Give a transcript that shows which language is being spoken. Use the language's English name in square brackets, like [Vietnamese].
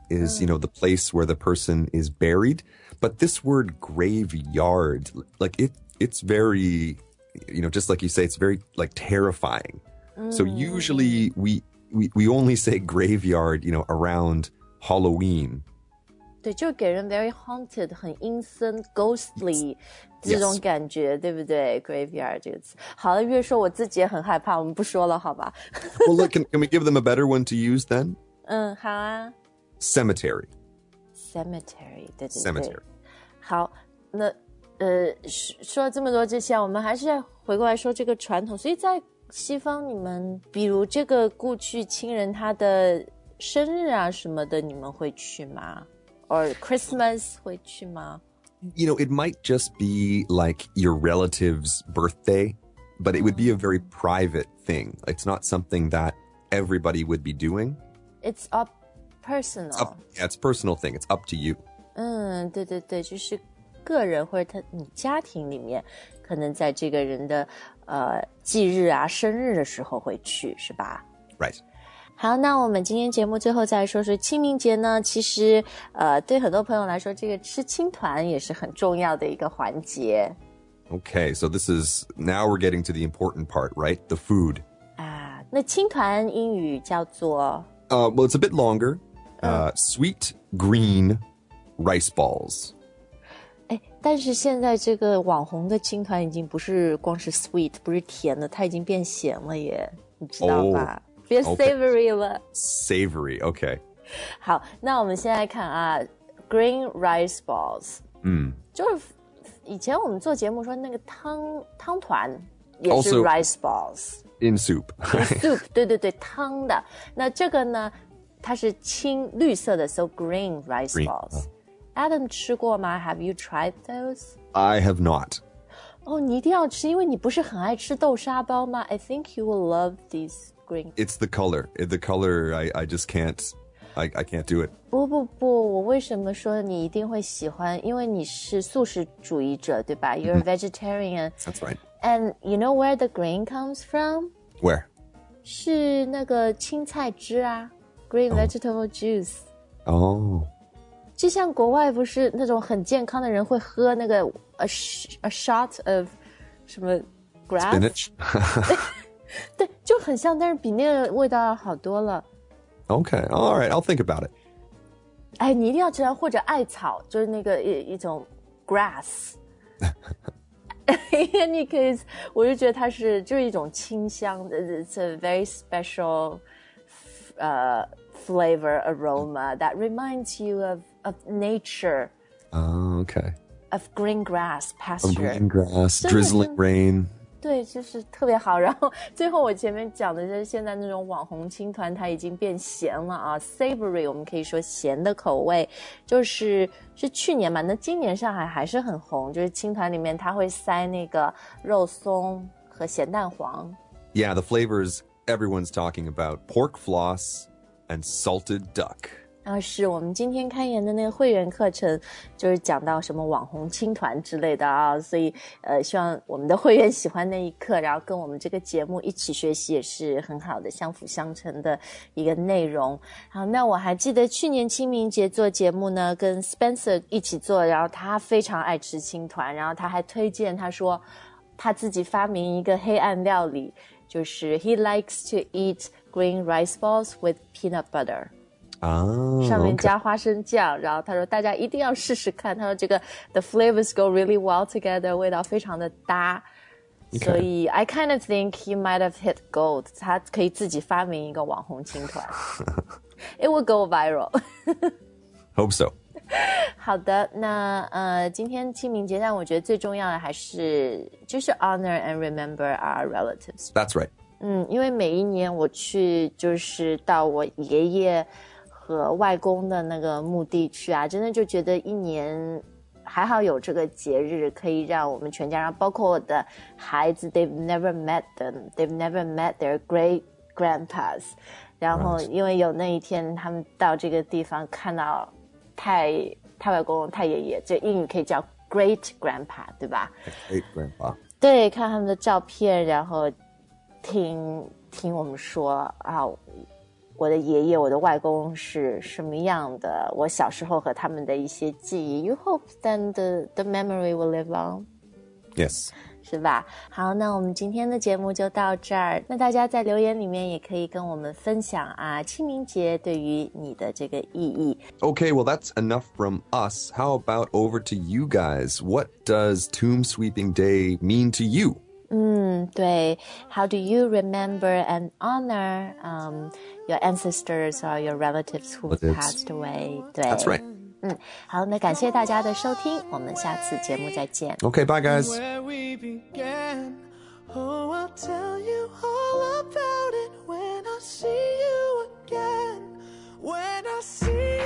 [English] Is, you know, the place where the person is buried. But this word graveyard, like it's very, you know, just like you say, it's very like terrifying. So usually we only say graveyard, you know, around Halloween. [Chinese] 对就给人 [English] very haunted, [Chinese] 很阴森 [English] ghostly, [Chinese] 这种感觉、 [English] yes. [Chinese] 对不对 graveyard. 好了越说我自己也很害怕我们不说了好吧 [English] Well, look, can we give them a better one to use then? [Chinese] 好啊。 [English] Cemetery. [Chinese] Cemetery. 对对对 [English] Cemetery. [Chinese] 好那说了这么多这些我们还是要回过来说这个传统。所以在西方你们比如这个故去亲人他的生日啊什么的你们会去吗 [English] Or Christmas [Chinese] 会去吗 [English] You know, it might just be like your relative's birthday, but it would be a very private thing. It's not something that everybody would be doing. It's up. Personal. It's a personal thing. It's up to you. [Chinese] 对对对，就是个人或者他你家庭里面，可能在这个人的忌日啊、生日的时候会去，是吧 [English] ？Right. [Chinese] 好，那我们今天节目最后再说说清明节呢。其实对很多朋友来说，这个吃青团也是很重要的一个环节。 [English] Okay, so this is now we're getting to the important part, right? The food. [Chinese] 那青团英语叫做。 [English] Well, it's a bit longer. Sweet green rice balls. [Chinese] 但是现在这个网红的青团已经不是光是 sweet, 不是甜的，它已经变咸了耶，你知道吧？变 savory 了。 [English] Savory, okay. [Chinese] 好，那我们现在看啊 ， [English] green rice balls. [Chinese] 就是以前我们做节目说那个汤团也是 [English] rice balls。 In soup. In soup, [Chinese] 对对对汤的。那这个呢它是青绿色的 [English] so green rice balls. Adam [Chinese] 吃过吗 [English] Have you tried those? I have not. [Chinese] 你一定要吃因为你不是很爱吃豆沙包吗 [English] I think you will love these green. It's the color. The color, I just can't. I can't do it. [Chinese] 不不不我为什么说你一定会喜欢因为你是素食主义者对吧 [English] You're a vegetarian. That's right. And you know where the green comes from? Where? [Chinese] 是那个青菜汁啊 [English] Green vegetable juice. [Chinese] 就像国外不是那种很健康的人会喝那个 [English] a shot of [Chinese] 什么 [English] grass? Spinach? [Chinese] 对就很像但是比那个味道好多了 [English] Okay, alright, I'll think about it. [Chinese] 你一定要知道或者艾草就是那个一种 grass. [English] in any case, [Chinese] 我就觉得它是就是一种清香 [English] It's a very special flavor aroma that reminds you of nature. Oh, okay. Of green grass, pasture. Of green grass, drizzling rain. [Chinese] 对就是特别好然后最后我前面讲的就是现在那种网红青团它已经变咸了啊 savory 我们可以说咸的口味就是是去年嘛那今年上海还是很红就是青团里面它会塞那个肉松和咸蛋黄 [English] Yeah, the flavors everyone's talking about pork floss and salted duck [Chinese] 啊、是我们今天开言的那个会员课程就是讲到什么网红青团之类的啊所以希望我们的会员喜欢那一课然后跟我们这个节目一起学习也是很好的相辅相成的一个内容好那我还记得去年清明节做节目呢跟 Spencer 一起做然后他非常爱吃青团然后他还推荐他说他自己发明一个黑暗料理就是 [English] He likes to eat green rice balls with peanut butter [Chinese] 上面加花生酱、 [English] okay. [Chinese] 然后他说大家一定要试试看他说这个 [English] the flavors go really well together [Chinese] 味道非常的搭、 [English] okay. [Chinese] 所以 [English] I kind of think he might have hit gold [Chinese] 他可以自己发明一个网红青团 [English] It will go viral Hope so [Chinese] 好的那今天清明节但我觉得最重要的还是就是 [English] honor and remember our relatives That's right [Chinese] 嗯，因为每一年我去就是到我爷爷和外公的那个墓地去啊真的就觉得一年还好有这个节日可以让我们全家然后包括我的孩子 [English] they've never met them they've never met their great grandpas [Chinese] 然后因为有那一天他们到这个地方看到太外公太爷爷就英语可以叫 [English] great grandpa [Chinese] 对吧 [English] great grandpa [Chinese] 对看他们的照片然后听我们说啊我的爷爷我的外公是什么样的我小时候和他们的一些记忆 [English] You hope then the memory will live on Yes [Chinese] 是吧好那我们今天的节目就到这儿那大家在留言里面也可以跟我们分享啊清明节对于你的这个意义 [English] Okay well that's enough from us How about over to you guys What does Tomb Sweeping Day mean to you? [Chinese] 对 [English] How do you remember and honor your ancestors or your relatives who passed away. [Chinese] 对 [English] That's right. [Chinese] 好那感谢大家的收听我们下次节目再见。 [English] Okay, bye guys. Where we began, oh, I'll tell you all about it when I see you again, when I see you again.